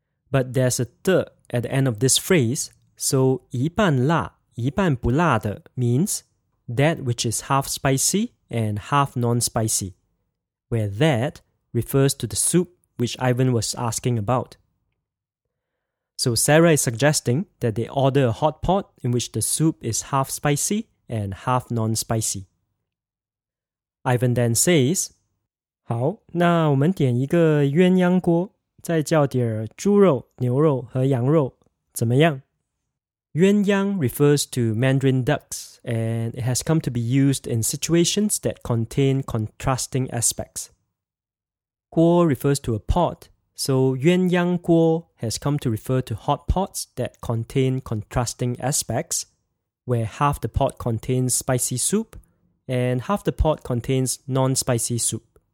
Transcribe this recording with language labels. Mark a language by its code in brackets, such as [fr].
[en] But there's a 的 at the end of this phrase, so [zh] 一半辣,一半不辣的 [en] means that which is half spicy and half non-spicy, where that refers to the soup which Ivan was asking about. So Sarah is suggesting that they order a hot pot in which the soup is half spicy and half non-spicy. Ivan then says, [zh] 好,那我们点一个鸳鸯锅, 再叫点猪肉,牛肉和羊肉,怎么样? [en] Yuanyang refers to Mandarin ducks, and it has come to be used in situations that contain contrasting aspects. Guo refers to a pot, so Yuanyang Guo has come to refer to hot pots that contain contrasting aspects, where half the pot contains spicy soup, and half the pot contains non-spicy soup.